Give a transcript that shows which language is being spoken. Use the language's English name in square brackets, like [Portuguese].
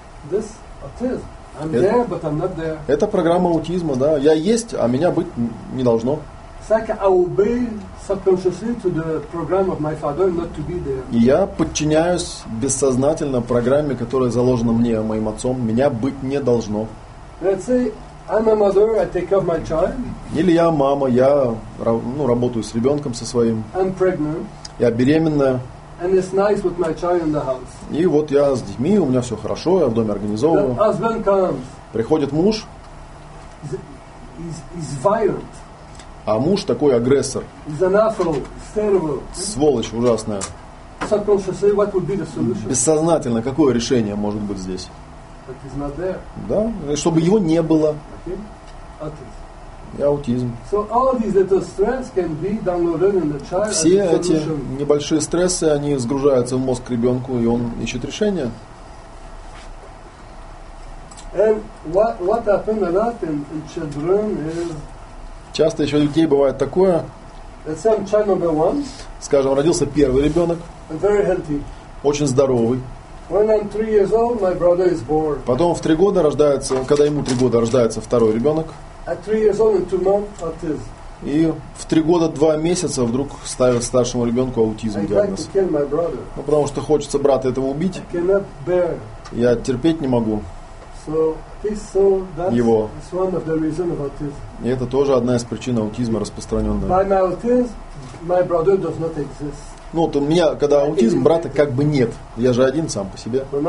[English] This autism. I'm there, but I'm not there. [Russian] Это программа аутизма, да. Я есть, а меня быть не должно. И я подчиняюсь бессознательно программе, которая заложена мне моим отцом. Меня быть не должно. [English] I'm a mother, I take care of my child. [Russian] Или я мама, я работаю с ребенком со своим. [English] I'm pregnant. [Russian] Я беременная. [English] And it's nice with my child in the house. [Russian] И вот я с детьми, у меня все хорошо, я в доме организовываю. [English] The husband comes. [Russian] Приходит муж. [English] He's violent. [Russian] А муж такой агрессор. [English] He's an asshole, he's terrible. [Russian] Сволочь ужасная. [English] Subconsciously, what would be the solution? [Russian] Бессознательно, какое решение может быть здесь? [English] That is not there. [Russian] Да, чтобы его не было. [English] Okay. [Russian] Аутизм. [English] So all these little stress can be downloaded in the child. [Russian] Все эти небольшие стрессы, они сгружаются в мозг ребенку, и он ищет решение. [English] And what happens a lot in children is. [Russian] Часто еще у детей бывает такое. [English] Let's say I'm child number one. [Russian] Скажем, родился первый ребенок. [English] And very healthy. [Russian] Очень здоровый. [English] When I'm 3 years old, my brother is born. [Russian] Потом в 3 года рождается, когда ему 3 года рождается второй ребенок. [English] At 3 years old and 2 months autism. [Russian] И в 3 года 2 месяца вдруг ставят старшему ребенку аутизм диагноз. [English] I'd like to kill my brother. [Russian] Ну потому что хочется брата этого убить. [English] I cannot bear. [Russian] Я терпеть не могу. [English] So that's [Russian] его. [English] It's one of the reasons of autism. [Russian] И это тоже одна из причин аутизма распространенная. [English] By my autism, my brother does not exist. [Russian] Ну, вот у меня, когда аутизм, брата как бы нет. Я же один сам по себе.